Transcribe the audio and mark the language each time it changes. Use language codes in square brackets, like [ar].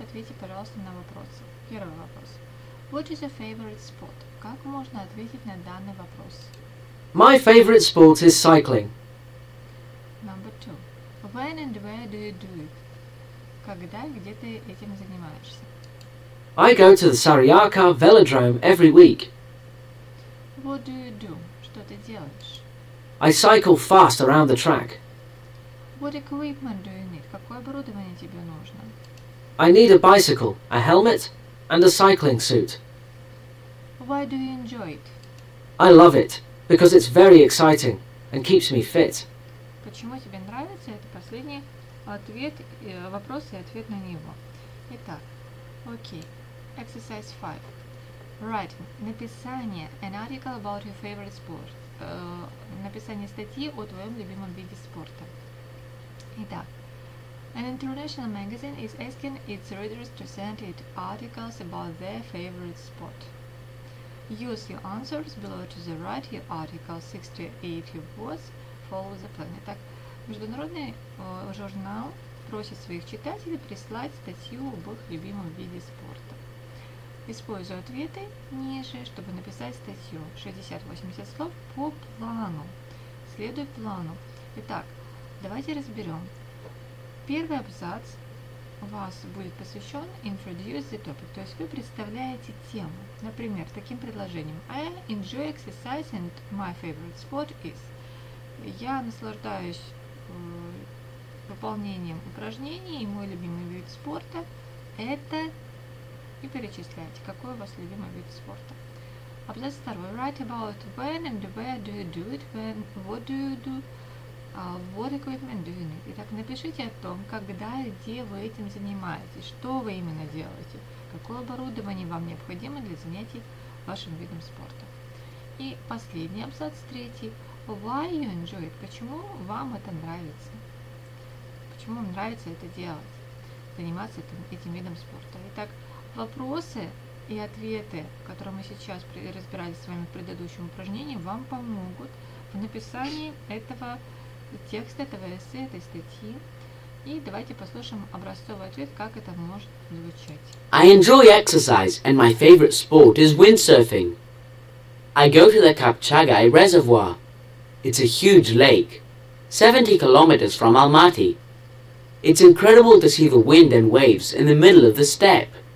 [ru] Ответьте, пожалуйста, на вопросы. Первый вопрос. [en] What is your favorite sport? [ru] Как можно ответить на данный вопрос? [en] My favorite sport is cycling. Number 2. When and where do you do it? [ru] Когда и где ты этим занимаешься? [en] I go to the Sarayaka Velodrome every week. What do you do? [ru] Что ты делаешь? [en] I cycle fast around the track. What equipment do you need? [ru] Какое оборудование тебе нужно? [en] I need a bicycle, a helmet, and a cycling suit. Why do you enjoy it? I love it, because it's very exciting and keeps me fit. [ru] Почему тебе нравится? Это последний ответ, вопрос и ответ на него. Итак, окей. [en] Exercise 5. Writing. [ru] Написание. [en] An article about your favorite sport. [ru] написание статьи о твоем любимом виде спорта. [en] Итак, an international magazine is asking its readers to send it articles about their favorite sport. Use your answers below to the right your article 68 words, follow the plan. [ru] Итак, международный журнал просит своих читателей прислать статью об их любимом виде спорта. Используй ответы ниже, чтобы написать статью 60-80 слов по плану. Следуй плану. Итак, давайте разберем. Первый абзац у вас будет посвящен [en] introduce the topic, [ru] то есть вы представляете тему. Например, таким предложением: [en] I enjoy exercise and my favorite sport is. [ru] Я наслаждаюсь выполнением упражнений, и мой любимый вид спорта это. И перечисляете, какой у вас любимый вид спорта. Абзац второй. [en] Write about when and where do you do it, when, what do you do, what equipment do you need. [ru] Итак, напишите о том, когда и где вы этим занимаетесь, что вы именно делаете, какое оборудование вам необходимо для занятий вашим видом спорта. И последний абзац третий. [en] Why you enjoy it? [ru] Почему вам это нравится? Почему вам нравится это делать, заниматься этим видом спорта? Итак, вопросы и ответы, которые мы сейчас разбирали с вами в предыдущем упражнении, вам помогут в написании этого текста, этого эссе, этой статьи. И давайте послушаем образцовый ответ, как это может звучать. [en] I enjoy exercise, and my favorite sport is windsurfing. I go to the Kapchagai Reservoir. It's a huge lake, 70 kilometers from Almaty. It's incredible to see the wind and waves in the middle of the steppe.